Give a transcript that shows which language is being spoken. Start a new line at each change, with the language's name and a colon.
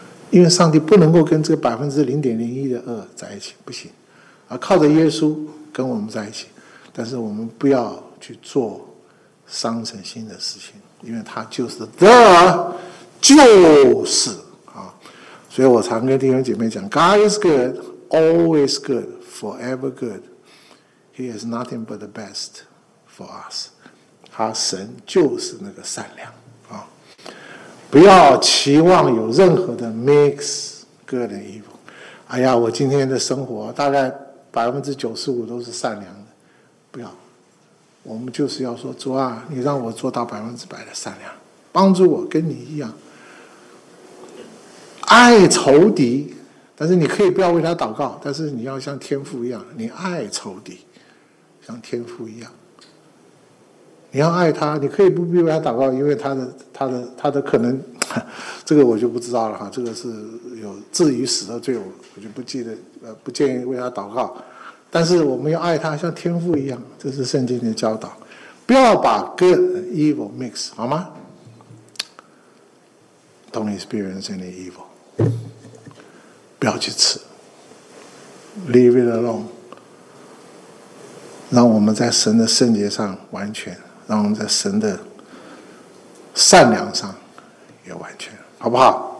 Chinese: 因为上帝不能够跟这个 0.01% 的恶在一起，不行，而靠着耶稣跟我们在一起，但是我们不要去做伤神心的事情，因为他就是 the， 就是啊，所以我常跟弟兄姐妹讲 ，
English: God is good, always good, forever good. He is nothing but the best for us.
Chinese: 他神就是那个善良啊，不要期望有任何的
English: mix good and evil。
Chinese: 哎呀，我今天的生活大概95%都是善良的，不要。我们就是要说，主啊，你让我做到100%的善良，帮助我跟你一样爱仇敌，但是你可以不要为他祷告，但是你要像天父一样，你爱仇敌，像天父一样，你要爱他，你可以不必为他祷告，因为他的可能这个我就不知道了哈，这个是有至于死的罪，我就不记得，不建议为他祷告。但是我们要爱他，像天父一样，这是圣经的教导。不要把
English: good and evil mix，
Chinese: 好吗
English: ？Don't experience any evil，
Chinese: 不要去吃
English: ，leave it alone。
Chinese: 让我们在神的圣洁上完全，让我们在神的善良上也完全，好不好？